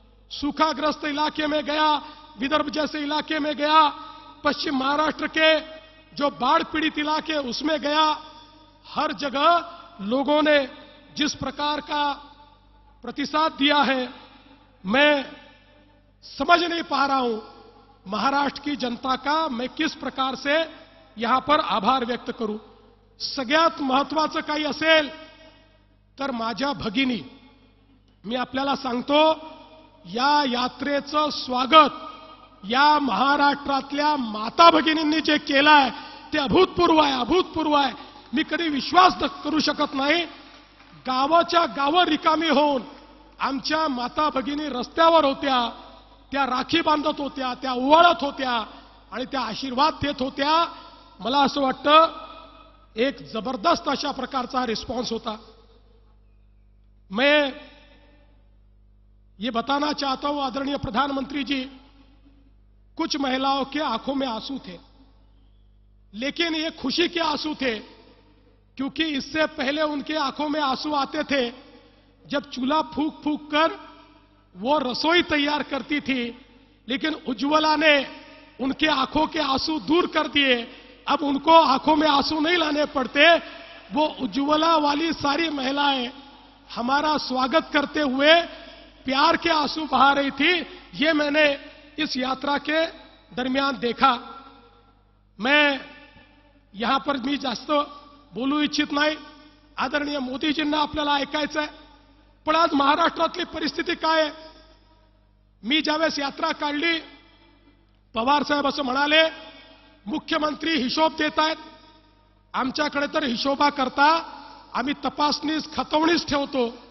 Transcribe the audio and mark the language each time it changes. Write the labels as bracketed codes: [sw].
[hi] सूखाग्रस्त इलाके में गया, विदर्भ जैसे इलाके में गया, पश्चिम महाराष्ट्र के जो बाढ़ पीड़ित इलाके उसमें गया, हर जगह लोगों ने जिस प्रकार का प्रतिसाद दिया है मैं समझ नहीं पा रहा हूं महाराष्ट्र की जनता का मैं किस प्रकार से यहां पर आभार व्यक्त करूं। [mr] सगळ्यात महत्त्वाचं काही असेल तर माझ्या भगिनी, मी आपल्याला सांगतो, या यात्रेचं स्वागत या महाराष्ट्रातल्या माता भगिनींनी जे केलंय ते अभूतपूर्व आहे, अभूतपूर्व आहे। मी कधी विश्वास करू शकत नाही, गावाच्या गावं रिकामी होऊन आमच्या माता भगिनी रस्त्यावर होत्या, त्या राखी बांधत होत्या, त्या उवाळत होत्या आणि त्या आशीर्वाद देत होत्या। मला असं वाटतं एक जबरदस्त अशा प्रकारचा रिस्पॉन्स होता। [hi] मैं ये बताना चाहता हूं आदरणीय प्रधानमंत्री जी, कुछ महिलाओं के आंखों में आंसू थे लेकिन ये खुशी के आंसू थे, क्योंकि इससे पहले उनके आंखों में आंसू आते थे जब चूल्हा फूंक फूंक कर वो रसोई तैयार करती थी, लेकिन उज्ज्वला ने उनके आंखों के आंसू दूर कर दिए। अब उनको आंखों में आंसू नहीं लाने पड़ते, वो उज्ज्वला वाली सारी महिलाएं हमारा स्वागत करते हुए प्यार के आंसू बहा रही थी। ये मैंने इस यात्रा के दरमियान देखा। [mr] मैं यहां पर भी जास्त बोलू इच्छित नहीं, आदरणीय मोदी जींना आपल्याला ऐकायचं आहे, पण आज महाराष्ट्रातली परिस्थिती काय आहे। मी ज्यावेळेस यात्रा काढली पवार साहेब असं म्हणाले, मुख्यमंत्री हिशोब देत आहेत, आमच्याकडे तर हिशोबा करता आम्ही तपासणीस खतवणीस ठेवतो।